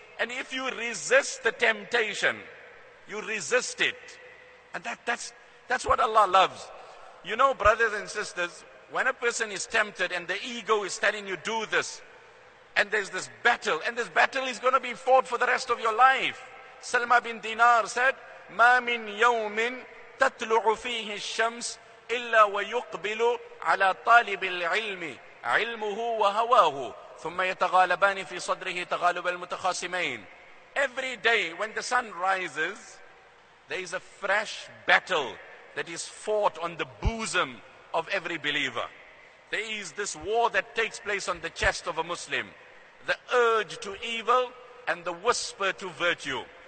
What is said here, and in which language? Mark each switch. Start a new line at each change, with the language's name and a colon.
English: And if you resist the temptation, you resist it. And that's what Allah loves. You know, brothers and sisters, when a person is tempted and the ego is telling you, do this, and there's this battle, and this battle is going to be fought for the rest of your life. Salma bin Dinar said,
Arabic: مَا مِنْ يَوْمٍ تَطْلُعُ فِيهِ الشَّمْسِ إِلَّا وَيُقْبِلُ عَلَىٰ طَالِبِ الْعِلْمِ عِلْمُهُ وَهَوَاهُ ثُمَّ يَتَغَالَبَانِ فِي صَدْرِهِ تَغَالُبَ الْمُتَخَاسِمَيْنِ.
English: Every day when the sun rises, there is a fresh battle that is fought on the bosom of every believer. There is this war that takes place on the chest of a Muslim. The urge to evil and the whisper to virtue.